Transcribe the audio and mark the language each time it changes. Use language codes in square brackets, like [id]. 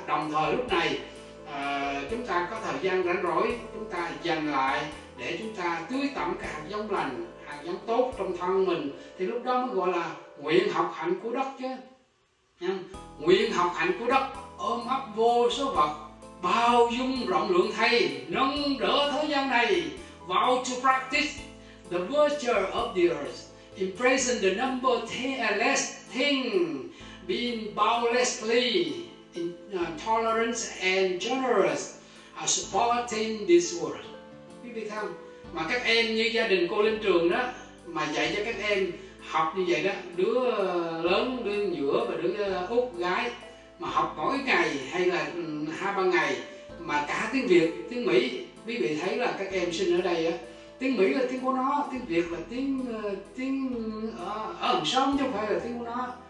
[vi] Đồng thời lúc này chúng ta có thời gian rảnh rỗi, chúng ta dành lại để chúng ta tưới tẩm cái hạt giống lành, hạt giống tốt trong thân mình, thì lúc đó mới gọi là nguyện học hạnh của đất chứ. Nguyện học hạnh của đất ôm ấp vô số vật, bao dung rộng lượng thay, nâng đỡ thế gian này. [en] Vow to practice the virtue of the earth, embracing the number less thing, being boundlessly tolerant and generous, supporting this world. [vi] Quý vị thân, mà các em như gia đình cô Linh Trường đó, mà dạy cho các em học như vậy đó, đứa lớn, đứa giữa và đứa út gái, mà học mỗi ngày hay là 2-3 ngày mà cả tiếng Việt, tiếng Mỹ. Quý vị thấy là các em sinh ở đây á, tiếng Mỹ là tiếng của nó, tiếng Việt là tiếng ở gần sông chứ không phải là tiếng của nó.